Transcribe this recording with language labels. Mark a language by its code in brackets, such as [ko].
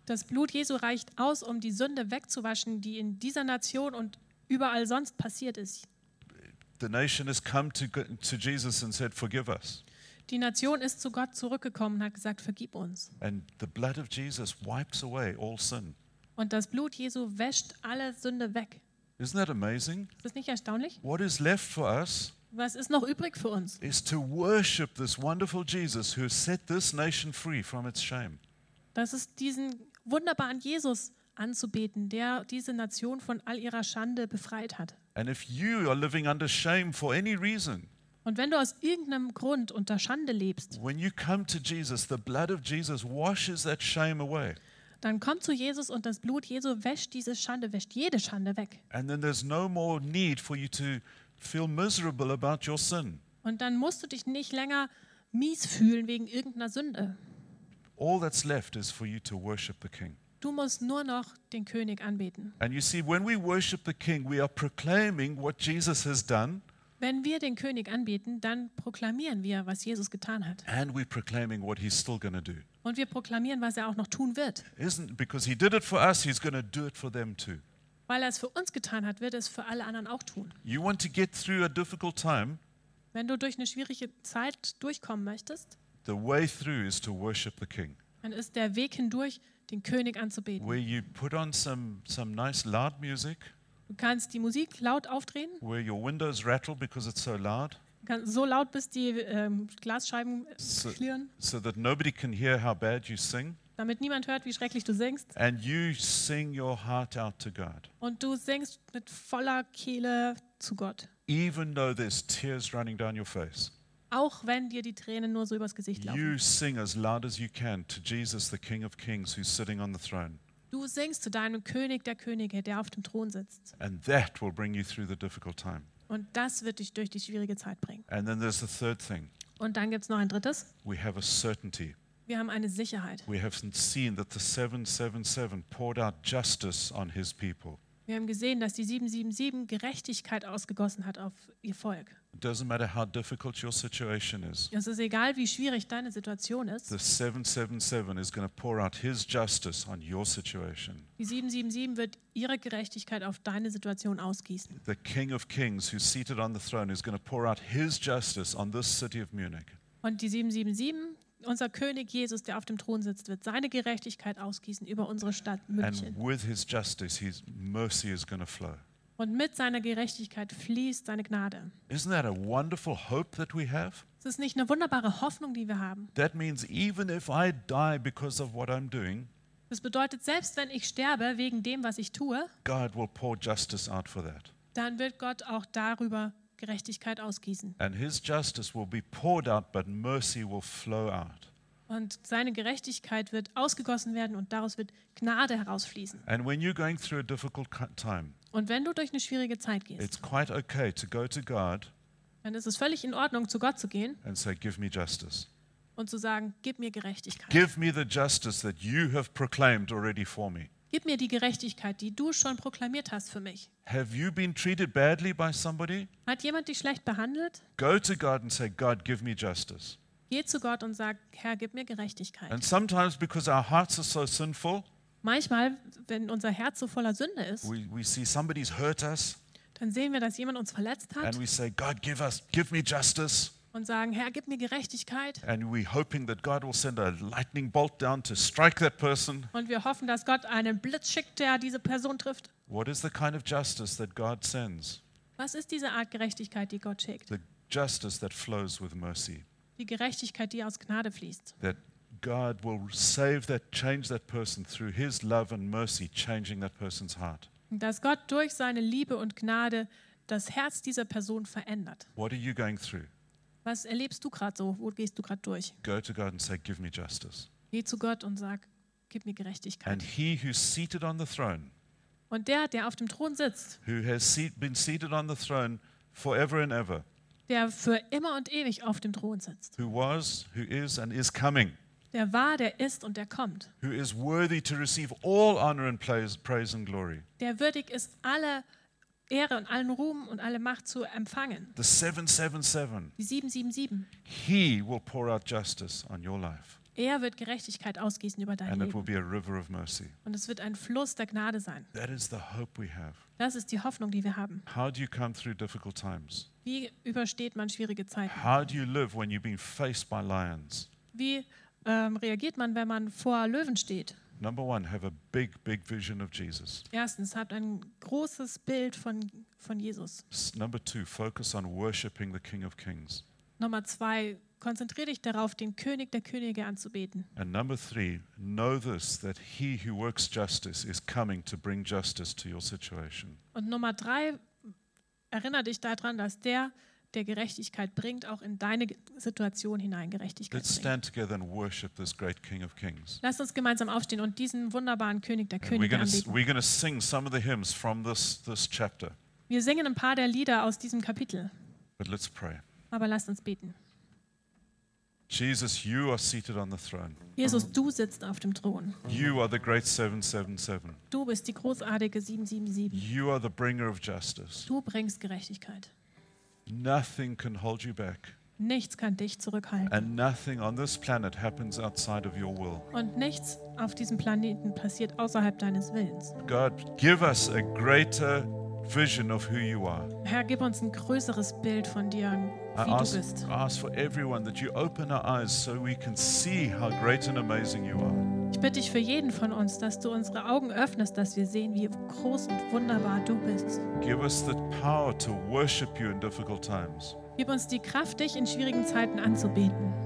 [de] Das Blut Jesu reicht aus, um die Sünde wegzuwaschen, die in dieser Nation und überall sonst passiert ist. [en] The nation has come to Jesus and said, "Forgive us." [de] Die Nation ist zu Gott zurückgekommen und hat gesagt, vergib uns. [en] And the blood of Jesus wipes away all sin. [de] Und das Blut Jesu wäscht alle Sünde weg. [en] Isn't that amazing? [de] Ist das nicht erstaunlich? [en] What is left for us? [de] Was ist noch übrig für uns? [en] Is to worship this wonderful Jesus who set this nation free from its shame. [de] Das ist diesen wunderbaren Jesus anzubeten, der diese Nation von all ihrer Schande befreit hat. [en] And if you are living under shame for any reason. [de] Und wenn du aus irgendeinem Grund unter Schande lebst. [en] When you come to Jesus, the blood of Jesus washes that shame away. [de] Dann komm zu Jesus und das Blut Jesu wäscht diese Schande, wäscht jede Schande weg. [en] And then there's no more need for you to feel miserable about your sin. [de] Und dann musst du dich nicht länger mies fühlen wegen irgendeiner Sünde. [en] All that's left is for you to worship the King. [de] Du musst nur noch den König anbeten. [en] And you see, when we worship the King, we are proclaiming what Jesus has done. [de] Wenn wir den König anbeten, dann proklamieren wir, was Jesus getan hat. [en] And we're proclaiming what he's still gonna do. [de] Und wir proklamieren, was er auch noch tun wird. [en] Isn't because he did it for us, he's gonna do it for them too. [de] Weil er es für uns getan hat, wird er es für alle anderen auch tun. [en] You want to get through a difficult time, [de] wenn du durch eine schwierige Zeit durchkommen möchtest, [en] the way through is to worship the King. [de] Dann ist der Weg hindurch, den König anzubeten. [en] Where you put on some nice loud music. [de] Du kannst die Musik laut aufdrehen. [en] Where your windows rattle because it's so loud. [de] So laut, bis die Glasscheiben klirren. [en] So that nobody can hear how bad you sing. [de] Damit niemand hört, wie schrecklich du singst. [en] And you sing your heart out to God. [de] Und du singst mit voller Kehle zu Gott. [en] Even though there's tears running down your face. [de] Auch wenn dir die Tränen nur so übers Gesicht laufen. [en] You sing as loud as you can to Jesus, the King of Kings, who's sitting on the throne. [de] Du singst zu deinem König der Könige, der auf dem Thron sitzt. [en] And that will bring you through the difficult time. [de] Und das wird dich durch die schwierige Zeit bringen. [en] And then there's the third thing. [de] Und dann gibt's noch ein drittes. [en] We have a certainty. [de] Wir haben eine Sicherheit. [en] We have seen that the 777 poured out justice on his people. [de] Wir haben gesehen, dass die 777 Gerechtigkeit ausgegossen hat auf ihr Volk. [en] It doesn't matter how difficult your situation is. [de] Es ist egal, wie schwierig deine Situation ist. [en] The 777 is going to pour out his justice on your situation. [de] Die 777 wird ihre Gerechtigkeit auf deine Situation ausgießen. [en] The King of Kings, who's seated on the throne, is going to pour out his justice on this city of Munich. [de] Und die 777, unser König Jesus, der auf dem Thron sitzt, wird seine Gerechtigkeit ausgießen über unsere Stadt München. [en] And with his justice, his mercy is going to flow. [de] Und mit seiner Gerechtigkeit fließt seine Gnade. [en] Isn't that a wonderful hope that we have? [de] Es ist nicht eine wunderbare Hoffnung, die wir haben. [en] That means even if I die because of what I'm doing. [de] Das bedeutet, selbst wenn ich sterbe wegen dem, was ich tue, [en] God will pour justice out for that. [de] Dann wird Gott auch darüber Gerechtigkeit ausgießen. [en] And his justice will be poured out, but mercy will flow out. [de] Und seine Gerechtigkeit wird ausgegossen werden und daraus wird Gnade herausfließen. [en] And when you're going through a difficult time, [de] und wenn du durch eine schwierige Zeit gehst, [en] it's quite okay to go to God, [de] dann ist es völlig in Ordnung, zu Gott zu gehen [en] and say, give me justice. [de] Und zu sagen, gib mir Gerechtigkeit. [en] Give me the justice that you have proclaimed already for me. [de] Gib mir die Gerechtigkeit, die du schon proklamiert hast für mich. [en] Have you been treated badly by somebody? [de] Hat jemand dich schlecht behandelt? [en] Go to God and say, God, give me justice. [de] Geh zu Gott und sag, Herr, gib mir Gerechtigkeit. [en] And sometimes because our hearts are so sinful, [de] manchmal, wenn unser Herz so voller Sünde ist, [en] we see somebody's hurt us, [de] dann sehen wir, dass jemand uns verletzt hat. [en] And we say, God, give me justice. [de] Und sagen, Herr, gib mir Gerechtigkeit. [en] And we hoping that God will send a lightning bolt down to strike that person. [de] Und wir hoffen, dass Gott einen Blitz schickt, der diese Person trifft. [en] What is the kind of justice that God sends? [de] Was ist diese Art Gerechtigkeit, die Gott schickt? [en] The justice that flows with mercy. [de] Die Gerechtigkeit, die aus Gnade fließt. [en] That God will save that, change that person through his love and mercy, changing that person's heart. [de] Dass Gott durch seine Liebe und Gnade das Herz dieser Person verändert. [en] What are you going through? [de] Was erlebst du gerade so? Wo gehst du gerade durch? [en] Go to God and say, give me justice. [de] Geh zu Gott und sag, gib mir Gerechtigkeit. [en] And he who's seated on the throne, [de] und der, der auf dem Thron sitzt, [en] who has been seated on the throne forever and ever, [de] der für immer und ewig auf dem Thron sitzt, [en] who was, who is and is coming, [de] der war, der ist und der kommt, [en] who is worthy to receive all honor and praise and glory, [de] der würdig ist, alle Ehre und allen Ruhm und alle Macht zu empfangen, [en] the 777, [de] die 777, [en] he will pour out justice on your life, [de] er wird Gerechtigkeit ausgießen über dein [en] and [de] Leben, [en] it will be a river of mercy, [de] und es wird ein Fluss der Gnade sein. [en] That is the hope we have. [de] Das ist die Hoffnung, die wir haben. [en] How do you come through difficult times? [de] Wie übersteht man schwierige Zeiten? [en] How do you live when you've been faced by lions? [de] Wie reagiert man, wenn man vor Löwen steht? [en] Number one, have a big, big vision of Jesus. [de] Erstens, habt ein großes Bild von Jesus. [en] Number two, focus on worshiping the King of Kings. [de] Nummer zwei, konzentriere dich darauf, den König der Könige anzubeten. [en] And number three, know this, that he who works justice is coming to bring justice to your situation. [de] Und Nummer drei, erinnere dich daran, dass der, der Gerechtigkeit bringt, auch in deine Situation hinein Gerechtigkeit bringt. [en] Stand together and worship this great King of Kings. [de] Lass uns gemeinsam aufstehen und diesen wunderbaren König der Könige anbeten. [en] We're going to sing some of the hymns from this chapter. [de] Wir singen ein paar der Lieder aus diesem Kapitel. [en] But let's pray. [de] Aber lasst uns beten. [en] Jesus, you are seated on the throne. [de] Jesus, du sitzt auf dem Thron. [en] You are the great 777. [de] Du bist die großartige 777. [en] You are the bringer of justice. [de] Du bringst Gerechtigkeit. [en] Nothing can hold you back. [de] Nichts kann dich zurückhalten. [en] And nothing on this planet happens outside of your will. [de] Und nichts auf diesem Planeten passiert außerhalb deines Willens. [en] God, give us a greater vision of who you are. [de] Herr, gib uns ein größeres Bild von dir, wie du bist. [en] I ask for everyone that you open our eyes so we can see how great and amazing you are. [de] Ich bitte dich für jeden von uns, dass du unsere Augen öffnest, dass wir sehen, wie groß und wunderbar du bist. [en] Give us the power to worship you in difficult times. [de] Gib uns die Kraft, dich in schwierigen Zeiten anzubeten.